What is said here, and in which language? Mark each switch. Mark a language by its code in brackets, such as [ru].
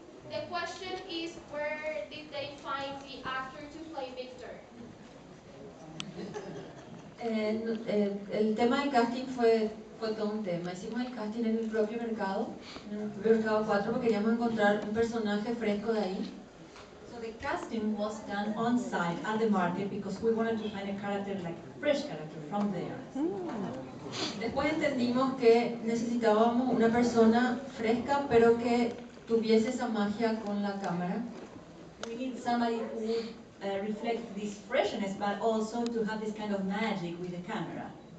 [en] The question is, where did they find the actor to play Victor? [es] El tema de casting fue todo un tema. Hicimos el casting en el propio mercado, en el mercado 4, porque queríamos encontrar un personaje fresco de ahí. [en] So the casting was done on site at the market because we wanted to find a character, like a fresh character from there. [es] Después entendimos que necesitábamos una persona fresca, pero que tuviese esa magia con la cámara. [en] We need somebody who would reflect this freshness, but also to have this kind of magic with the camera.